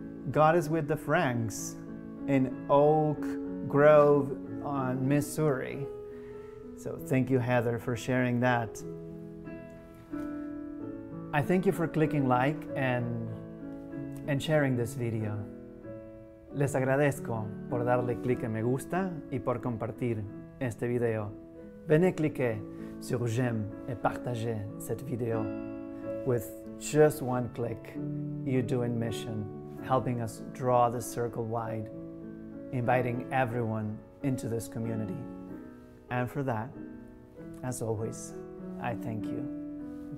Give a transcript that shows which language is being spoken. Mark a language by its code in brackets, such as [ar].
[en] God is with the Franks in Oak Grove on Missouri. So thank you, Heather, for sharing that. I thank you for clicking like and sharing this video. [es] Les agradezco por darle clic a me gusta y por compartir este video. [fr] Venez cliquer sur j'aime et partager cette vidéo. [en] With just one click, you're doing mission, helping us draw the circle wide, inviting everyone into this community. And for that, as always, I thank you.